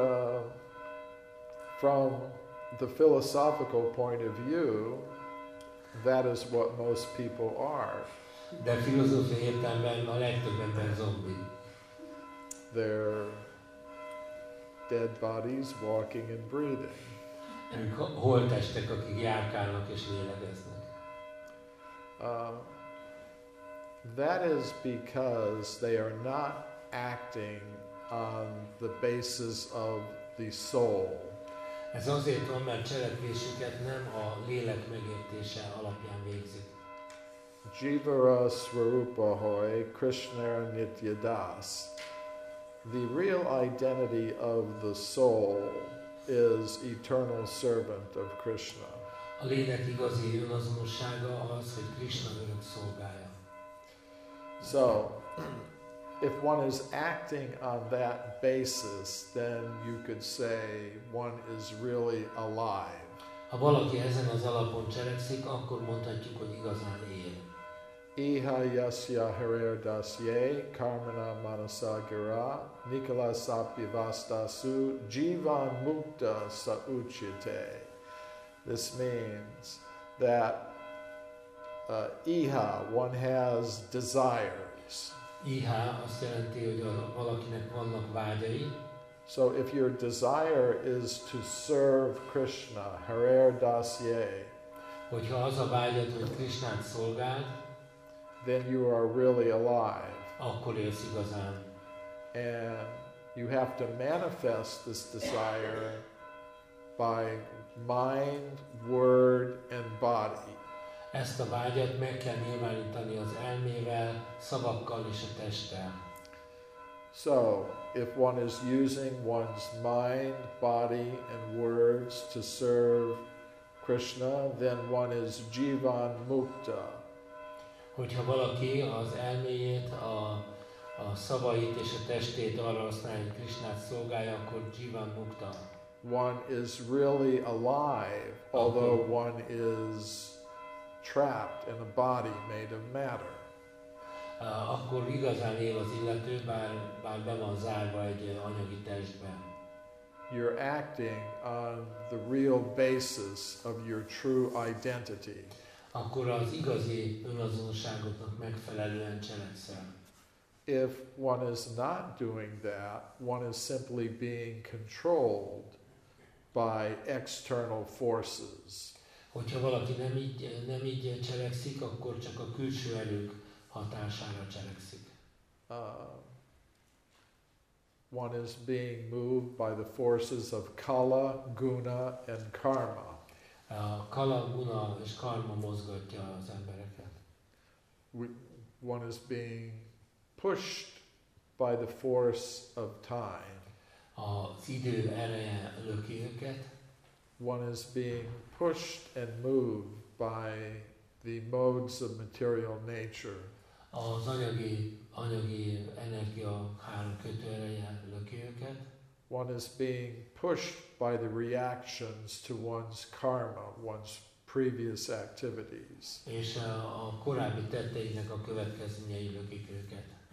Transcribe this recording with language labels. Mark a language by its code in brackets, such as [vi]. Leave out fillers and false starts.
[en] But from the philosophical point of view, that is what most people are. [hu] De filozófiai értelemben a legtöbb ember zombi. [en] They're dead bodies walking and breathing. [hu] Ők holttestek, akik járkálnak és léleveznek. [en] That is because they are not acting on the basis of the soul. [hu] Ez azért van, mert cselekvésüket nem a lélek megértése alapján végzik. [bn] Jivara Svarupa Hoy, Krishna Nitya Das. [en] The real identity of the soul is eternal servant of Krishna. [hu] A lélek igazi önazonossága az, hogy Krishna örök szolgája. [en] So, if one is acting on that basis, then you could say one is really alive. [hu] Ha valaki ezen az alapon cselekszik, akkor mondhatjuk, hogy igazán él. [sa] Iha yasya harer dasye karmana manasagira nikalasapyavastasu jivan mukta sauchite. [en] This means that iha, one has desires. [hu] Iha azt jelenti, hogy valakinek vannak vágyai. [en] So if your desire is to serve Krishna, [sa] harer dasye, [hu] hogyha az a vágyad, hogy Krishnát szolgáld, [en] then you are really alive. [hu] Akkor élsz igazán. [en] And you have to manifest this desire by mind, word, and body. [hu] Ezt a vágyat meg kell nyilvánítani az elmével, szavakkal és a testtel. [en] So, if one is using one's mind, body, and words to serve Krishna, then one is jivan mukta. [hu] Hogyha valaki az elméjét, a szavait és a testét arra használja, hogy Krishnát szolgálja, akkor jivan mukta. [en] One is really alive, although one is trapped in a body made of matter. [hu] Akkor igazán él az illető, bár be van zárva egy anyagi testben. [en] You're acting on the real basis of your true identity. [hu] Akkor az igazi önazonosságotnak megfelelően cselekszel. [en] If one is not doing that, one is simply being controlled by external forces. [hu] Hogyha valaki nem így cselekszik, akkor csak a külső erők hatására cselekszik. [en] One is being moved by the forces of kala, guna and karma. [hu] Kala, guna és karma mozgatja az embereket. [en] One is being pushed by the force of time. [hu] Az idő ereje löki őket. [en] One is being pushed and moved by the modes of material nature. [hu] Az anyagi energia három kötő ereje löki őket. [en] One is being pushed by the reactions to one's karma, one's previous activities. [hu] És a korábbi tetteinek a következményei lökik őket.